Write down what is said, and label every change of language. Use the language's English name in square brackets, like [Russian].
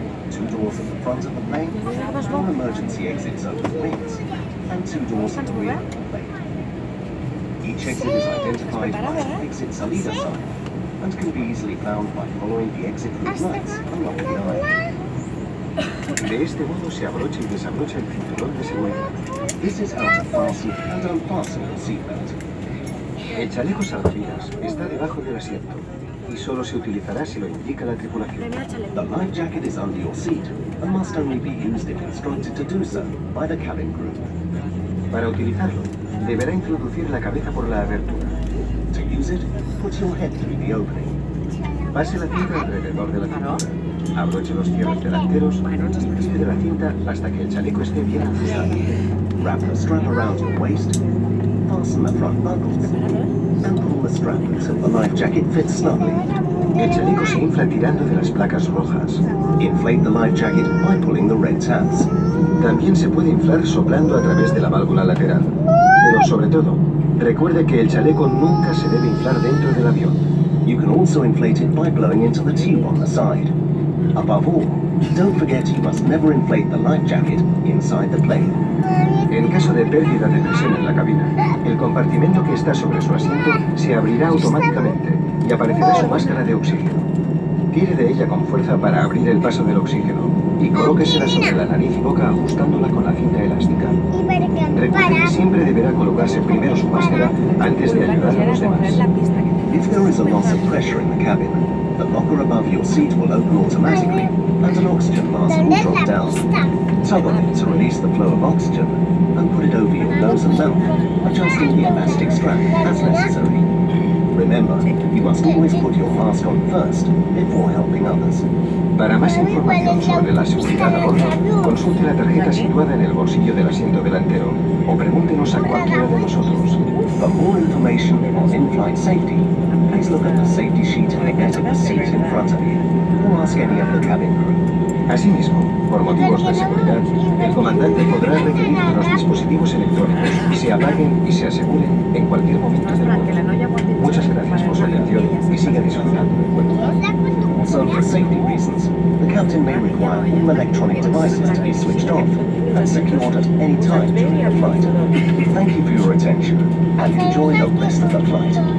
[English] two doors at the front of the plane, two emergency exits over the wings, and two doors at the rear of the plane. Each exit is identified by the exits on either side, and can be easily found by following the exit route lights along the aisle. [Spanish] De este modo se abrocha y desabrocha el cinturón de seguridad. [English] This is how to fasten and unfasten the seatbelt. [Spanish] El chaleco salvavidas está debajo del asiento y solo se utilizará si lo indica la tripulación. [English] The life jacket is under your seat and must only be used if instructed to do so by the cabin crew. [Spanish] Para utilizarlo, deberá introducir la cabeza por la abertura. [English] To use it, put your head through the opening. [Spanish] Pase la cinta alrededor de la cintura. Abroche los cierres delanteros y tire de la cinta hasta que el chaleco esté bien ajustado. [English] Wrap the strap around your waist, fasten the front buckles, and pull the strap until the life jacket fits snugly. [Spanish] El chaleco se infla tirando de las placas rojas. [English] Inflate the life jacket by pulling the red tabs. [Spanish] También se puede inflar soplando a través de la válvula lateral. Pero sobre todo, recuerde que el chaleco nunca se debe inflar dentro del avión. [English] You can also inflate it by blowing into the tube on the side. Above all, don't forget you must never inflate the life jacket inside the plane. [Spanish] En caso de pérdida de presión en la cabina, el compartimento que está sobre su asiento se abrirá automáticamente y aparecerá su máscara de oxígeno. Tire de ella con fuerza para abrir el paso del oxígeno y colóquesela sobre la nariz y boca ajustándola con la cinta elástica. Recuerde que siempre deberá colocarse primero su máscara antes de ayudar a los demás. [English] If there is a loss of pressure in the cabin, the locker above your seat will open automatically and an oxygen mask will drop down. Tug on it to release the flow of oxygen and put it over your nose and mouth, adjusting the elastic strap as necessary. Remember, you must always put your mask on first before helping others. [Spanish] Para más información sobre la seguridad a bordo, consulte la tarjeta situada en el bolsillo del asiento delantero o pregúntenos a cualquiera de nosotros. [English] For more information on in-flight safety, please look at the safety sheet in the edge of the seat in front of you or ask any of the cabin crew. [Spanish] Asimismo, por motivos de seguridad, el comandante podrá requerir que los dispositivos electrónicos se apaguen y se aseguren en cualquier momento del vuelo. Muchas gracias por su atención y siga disfrutando del vuelo. [English] So for safety reasons, the captain may require all electronic devices to be switched off and secured at any time during the flight. Thank you for your attention and enjoy the rest of the flight.